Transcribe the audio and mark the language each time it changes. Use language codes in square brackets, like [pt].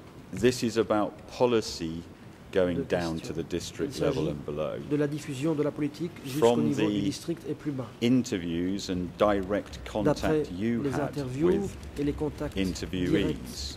[en] This is about policy going down to the district level and below. [fr] De la diffusion de la politique jusqu'au niveau du district et plus bas. [en] Interviews and direct contact you had with interviewees.